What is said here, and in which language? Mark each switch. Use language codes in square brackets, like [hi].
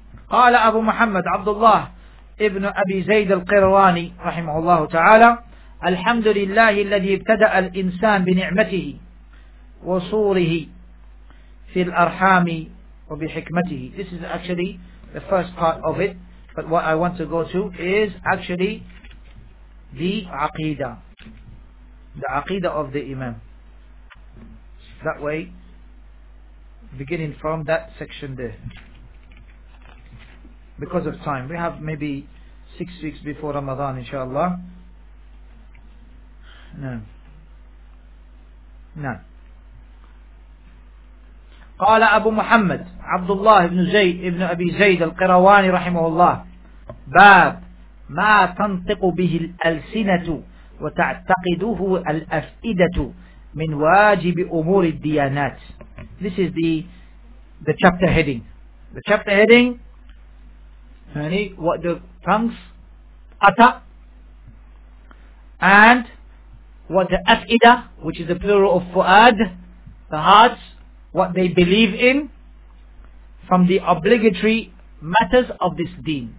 [ar] قال أبو محمد عبد الله ابن أبي زيد القرواني رحمه الله تعالى الحمد لله الذي ابتدأ الإنسان بنعمته وصوره في الأرحام وبحكمته. [en] This is actually the first part of it. But what I want to go to is actually the aqidah of the Imam. That way, beginning from that section there. Because of time, we have maybe 6 weeks before Ramadan, inshallah. No. [ar] قال أبو محمد عبد الله بن زيد ابن أبي زيد القرواني رحمه الله. باب ما تنطق به الألسنة وتعتقده الأفئدة من واجب أمور الديانات. [en] This is the chapter heading. The chapter heading, يعني what the tongues utter and what the afida, which is the plural of fu'ad, the hearts, what they believe in, from the obligatory matters of this deen.